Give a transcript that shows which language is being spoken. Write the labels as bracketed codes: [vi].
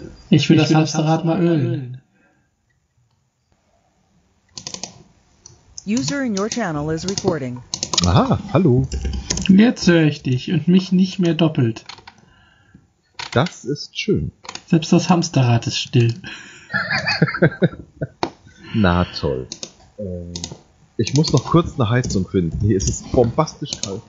[de] Ich will das Hamsterrad mal ölen. [en] User in your channel is recording. [de] Aha, hallo. Jetzt höre ich dich und mich nicht mehr doppelt. Das ist schön. Selbst das Hamsterrad ist still. Na toll. Ich muss noch kurz eine Heizung finden. Hier ist es bombastisch kalt